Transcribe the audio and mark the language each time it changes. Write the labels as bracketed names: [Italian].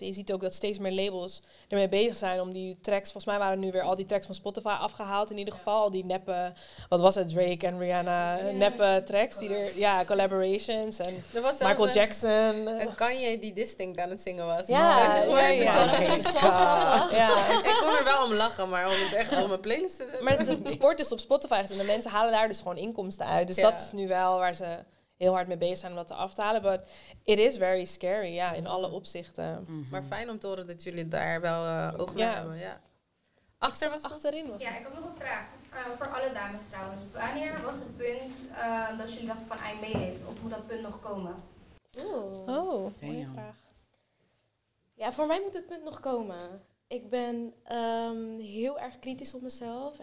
[Dutch] En je ziet ook dat steeds meer labels ermee bezig zijn om die tracks, volgens mij waren nu weer al die tracks van Spotify afgehaald in ieder geval, die neppe, wat was het, Drake en Rihanna, neppe tracks die er, collaborations en Michael Jackson. En Kanye die Distinct aan het zingen was. Ja. Ik kon er wel om lachen, maar om het echt op mijn playlist te zetten. Maar het wordt dus op Spotify gezet en de mensen halen daar dus gewoon inkomsten uit. Dus dat is nu wel waar ze heel hard mee bezig zijn om dat te af te halen. [English] But it is very scary, [Dutch] in alle opzichten. Mm-hmm. Maar fijn om te horen dat jullie daar wel oog naar hebben. Ja. Achterin was. Ja, ik heb nog een vraag. Voor alle dames trouwens. Wanneer was het punt dat jullie dachten van [English] I made it? [Dutch] Of moet dat punt nog komen? Oh, mooie vraag. Ja, voor mij moet het punt nog komen. Ik ben heel erg kritisch op mezelf.